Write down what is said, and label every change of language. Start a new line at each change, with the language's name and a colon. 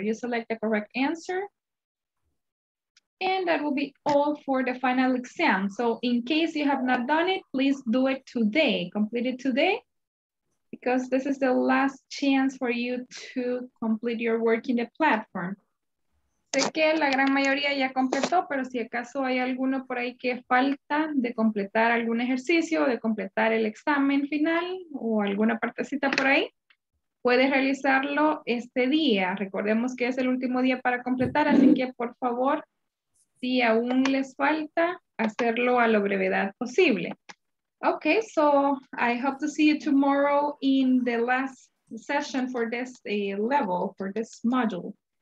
English: You select the correct answer. And that will be all for the final exam. So in case you have not done it, please do it today, complete it today, because this is the last chance for you to complete your work in the platform.
Spanish: Sé que la gran mayoría ya completó, pero si acaso hay alguno por ahí que falta de completar algún ejercicio, de completar el examen final o alguna partecita por ahí, puedes realizarlo este día. Recordemos que es el último día para completar, así que por favor, si aún les falta, hacerlo a lo brevedad posible.
English: Okay, so I hope to see you tomorrow in the last session for this level, for this module.